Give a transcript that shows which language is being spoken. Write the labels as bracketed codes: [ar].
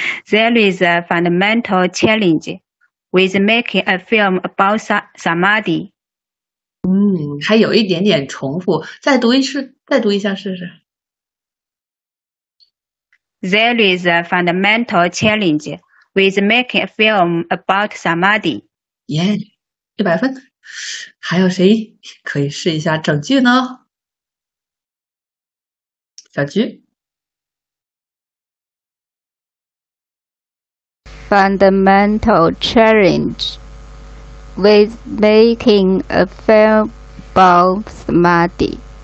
[en] There is a fundamental challenge with making a film about somebody. [zh] 还有一点点重复，再读一次，再读一下试试。 [en] There is a fundamental challenge with making a film about somebody. [zh] 100分。还有谁可以试一下整句呢？小菊。 [en] Fundamental challenge with making a film about somebody。